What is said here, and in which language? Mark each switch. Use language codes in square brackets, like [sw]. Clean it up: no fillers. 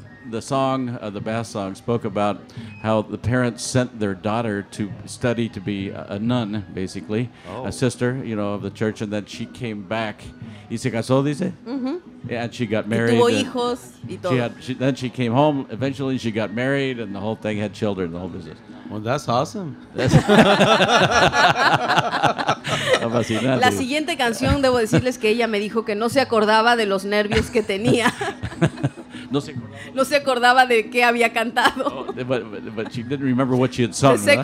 [en] The song, the bass song, spoke about how the parents sent their daughter to study to be a nun, basically, a sister, you know, of the church, and then she came back. [es] ¿Y se casó, dice? Mm-hmm. [en] And she got married. [es] Y tuvo hijos y todo. [en] Then she came home. Eventually, she got married, and the whole thing had children, the whole business. Well, that's awesome. [es] La siguiente canción, debo decirles que ella me dijo que no se acordaba de los nervios que tenía. No se acordaba de qué había cantado. [en] But she didn't remember what she had sung.